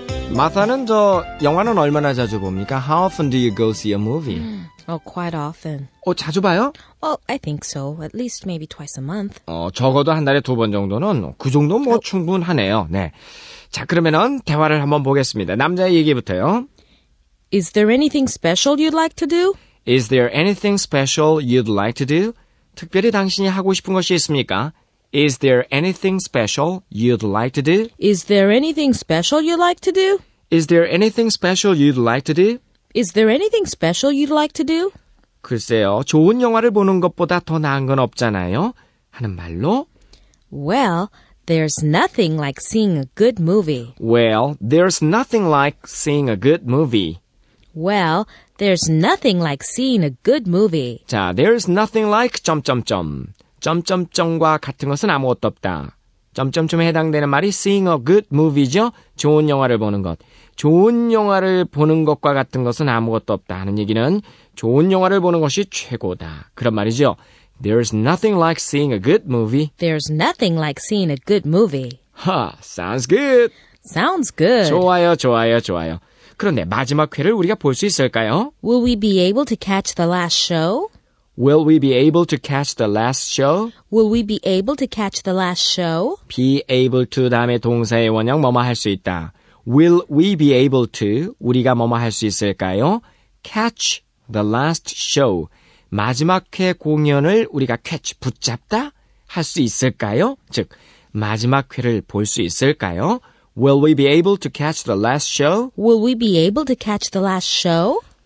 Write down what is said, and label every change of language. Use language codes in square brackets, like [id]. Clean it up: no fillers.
[ko] Martha는 저 영화는 얼마나 자주 봅니까? [en] How often do you go see a movie? Oh, quite often. [ko] 어, 자주 봐요? [en] Well, I think so. At least maybe twice a month. [ko] 어, 적어도 한 달에 두 번 정도는 그 정도 뭐 oh. 충분하네요. 네. 자, 그러면은 대화를 한번 보겠습니다. 남자의 얘기부터요. [en] Is there anything special you'd like to do? Is there anything special you'd like to do? [ko] 특별히 당신이 하고 싶은 것이 있습니까? [en] Is there anything special you'd like to do? Is there anything special you'd like to do? Is there anything special you'd like to do? Is there anything special you'd like to do? [ko] 글쎄요, 좋은 영화를 보는 것보다 더 나은 건 없잖아요. 하는 말로 [en] Well, there's nothing like seeing a good movie. Well, there's nothing like seeing a good movie. Well, there's nothing like seeing a good movie. 자, there's nothing like 점점점. [ko] 점점점과 같은 것은 아무것도 없다. 점점점에 해당되는 말이 [en] seeing a good movie [ko] 죠. 좋은 영화를 보는 것. 좋은 영화를 보는 것과 같은 것은 아무것도 없다 하는 얘기는 좋은 영화를 보는 것이 최고다. 그런 말이죠. [en] There's nothing like seeing a good movie. There's nothing like seeing a good movie. Ha, sounds good. Sounds good. [ko] 좋아요, 좋아요, 좋아요. 그런데 마지막 회를 우리가 볼 수 있을까요? [en] Will we be able to catch the last show? Will we be able to catch the last show? Will we be able to catch the last show? [ko] Be able to 다음에 동사의 원형 뭐뭐 할 수 있다. [en] Will we be able to, [ko] 우리가 뭐뭐 할 수 있을까요? [en] Catch the last show. [ko] 마지막 회 공연을 우리가 catch, 붙잡다 할 수 있을까요? 즉, 마지막 회를 볼 수 있을까요? [en] Will we be able to catch the last show? Will we be able to catch the last show?